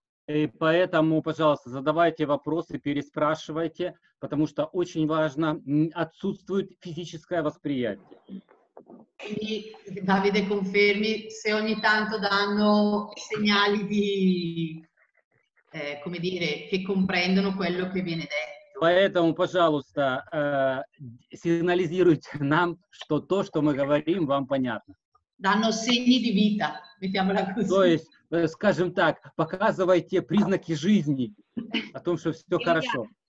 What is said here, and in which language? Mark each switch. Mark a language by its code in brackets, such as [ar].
[ru] E поэтому, пожалуйста, задавайте вопросы, переспрашивайте, потому что очень важно отсутствует физическое восприятие. [it] Quindi Davide confermi se ogni tanto danno segnali di come dire, che comprendono quello che viene detto. [ru] Поэтому, пожалуйста, сигнализируйте нам, что то, что мы говорим, вам понятно. [it] Danno segni di vita, mettiamola così. [ru] То есть, скажем так, показывайте признаки жизни, о том, что все хорошо.